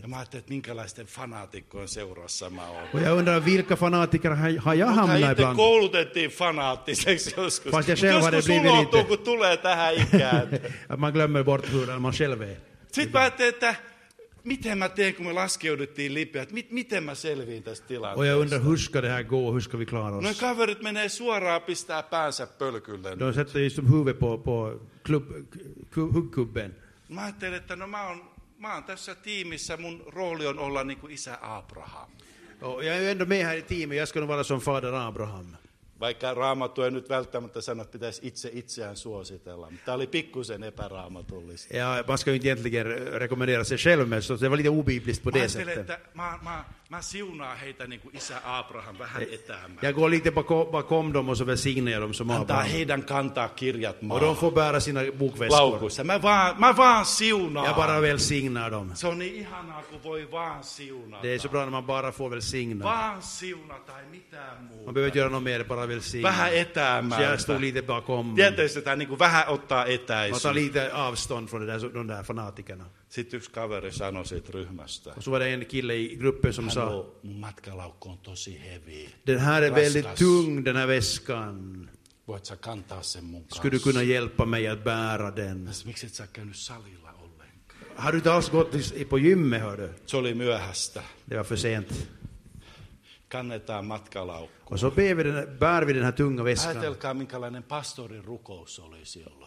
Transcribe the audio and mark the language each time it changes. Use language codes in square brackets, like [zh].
[fi] Ja mä ajattelin, että minkälaisten fanaatikkojen seurassa mä oon. [sv] Och jag undrar, vilka fanaatiker har jag hamnat ibland? [fi] Mutta itse koulutettiin fanaattiseksi joskus. [sv] Fast jag själv hade blivit [fi] lite. Joskus unohtuu, kun tulee tähän ikään. [sv] Man glömmer bort hur man själv är. [fi] Sitten mä ajattelin, että miten mä teen, kun me laskeuduttiin Libyaan, että miten mä selviin tästä tilanteesta? [sv] Och jag undrar, hur ska det här gå, hur ska vi klara oss? [fi] Noin kaverit menee suoraan pistää päänsä pölkylle. [sv] De sätter just huvud på huggkubben. [fi] Mä ajattelin, että no mä oon tässä tiimissä, mun rooli on olla niin kuin isä Abraham. [sv] Och jag är ändå med här i teamet, jag ska nog vara som fader Abraham. [fi] Vaikka Raamattu ei nyt välttämättä sano, että pitäisi itse itseään suositella. Tämä oli pikkusen epäraamatullista. [sv] Ja man ska ju inte egentligen rekommendera sig själv, men det var lite obibliskt på det sättet. [fi] Mä ajattelen, että mä siunaan heitä niin kuin isä Abraham vähän etäämään. [sv] Ja gå lite bakom dem och så välsignar dem som Abraham. [fi] Antaa heidän kantaa kirjat maahan. [sv] Och de får bära sina bokväskor. [fi] Laukussa. Mä vaan siunaan. [sv] Ja bara välsignar dem. [fi] Se on niin ihanaa, kun voi vaan siunata. [sv] Det är så bra när man bara får välsignar. [fi] Vaan siunata tai mitään muuta. [sv] Man behöver göra något mer, bara välsignar. [fi] Vähän etäämään. [sv] Så jag står lite bakom. [fi] Tietysti tämä niin kuin vähän ottaa etäisyyttä. Mä otan [sv] lite avstånd från de där fanatikerna. [fi] Sitten yksi kaveri sanoi siitä ryhmästä. [sv] Och så var det en kille i gruppen som sa, [fi] mun matkalaukku on tosi heavy. [sv] Den här är raskas. Väldigt tung, den här väskan. [fi] Voit sä kantaa sen mun kanssa? [sv] Skulle du kunna hjälpa mig att bära den? [fi] Miksi et sä käynyt salilla ollenkaan? [sv] Har du taas gått på gymme, hör du? [fi] Se oli myöhäistä. [sv] Det var för sent. [fi] Kannetaan matkalaukku. [sv] Och så bär vi den här tunga väskan. [fi] Ajatelkaa, minkälainen pastorin rukous oli siellä.